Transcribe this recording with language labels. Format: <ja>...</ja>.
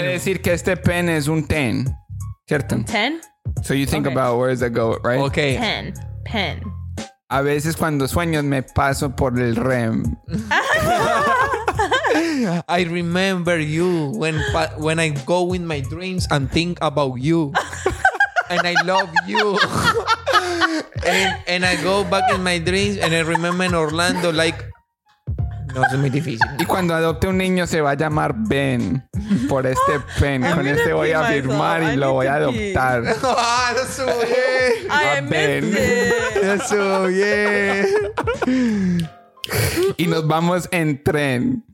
<es>Puede decir que este pen es un ten. ¿Cierto? Ten.</es> <en>So you think okay. about words that go, right? Okay. Pen. Pen.</en> <es>A veces cuando sueño me paso por el REM.</es> <en>I remember you when I go in my dreams and think about you. And I love you. And I go back in my dreams and I remember in Orlando like...</en> <es>No, es muy difícil. Y cuando adopte un niño se va a llamar Ben. Por este pen. Con este voy a firmar y lo voy a adoptar. ¡Ah, oh, lo subí! ¡Ay, Ben! ¡Lo subí! Y nos vamos en tren.</es>